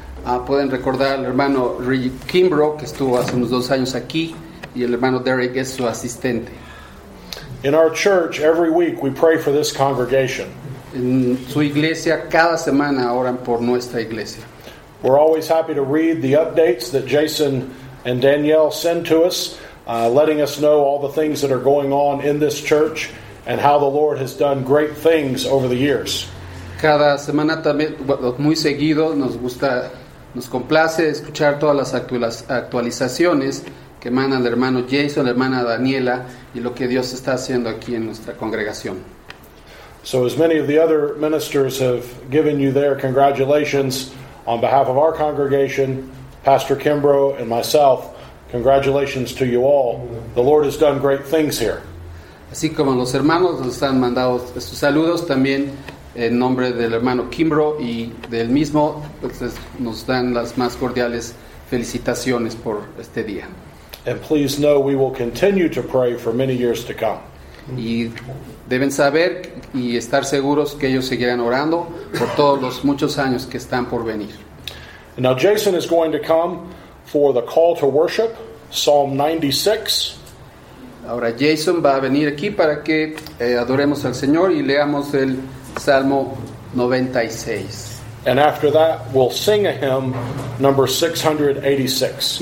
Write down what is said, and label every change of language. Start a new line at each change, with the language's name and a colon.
Spanish: Pueden recordar al hermano Reggie Kimbrough, que estuvo hace unos dos años aquí, y el hermano Derek es su asistente.
English: In our church, every week we pray for this congregation.
Spanish: En su iglesia, cada semana oran por nuestra iglesia.
English: We're always happy to read the updates that Jason and Danielle send to us, letting us know all the things that are going on in this church and how the Lord has done great things over the years.
Spanish: Cada semana también, muy seguido, nos complace escuchar todas las actualizaciones que manda el hermano Jason, la hermana Daniela, y lo que Dios está haciendo aquí en nuestra congregación.
English: So as many of the other ministers have given you their congratulations on behalf of our congregation, Pastor Kimbrough and myself, congratulations to you all. The Lord has done great things here.
Spanish: Así como los hermanos nos han mandado sus saludos también, en nombre del hermano Kimbrough y del mismo, pues, nos dan las más cordiales felicitaciones por este día.
English: And please know we will continue to pray for many years to come.
Spanish: Y deben saber y estar seguros que ellos seguirán orando por todos los muchos años que están por venir.
English: Now Jason is going to come for the call to worship, Psalm 96.
Spanish: Ahora Jason va a venir aquí para que adoremos al Señor y leamos el Salmo 96.
English: And after that, we'll sing a hymn number 686.